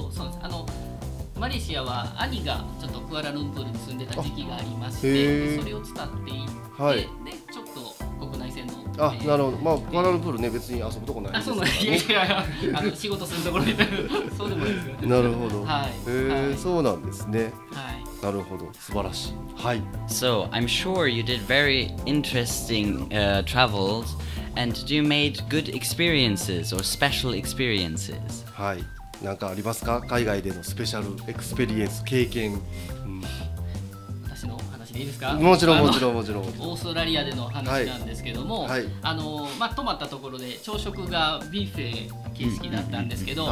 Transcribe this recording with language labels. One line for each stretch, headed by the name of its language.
Japanese: そうです、マレーシアは兄がちょっとクアラルンプールに住んでた時期がありまして、それを使って行って、はい、でちょっと国内線の、あ、なるほど、まあクアラルンプールね、別に遊ぶとこないですから、ね、あ、そうなんです、いやいや、仕事するところでそうでもないですよ、ね、なるほど、はい、へえ、はい、そうなんですね、はい、なるほど、素晴らしい、はい、
English: So I'm sure you did very interesting travels and do you made good experiences or special experiences?
Japanese: はい、何かありますか、海外でのスペシャルエクスペリエンス経験、うん、私の話でいいですか。もちろんもちろんもちろん、オーストラリアでの話なんですけども、はい、まあ、泊まったところで朝食がビュッフェ形式だったんですけど、うん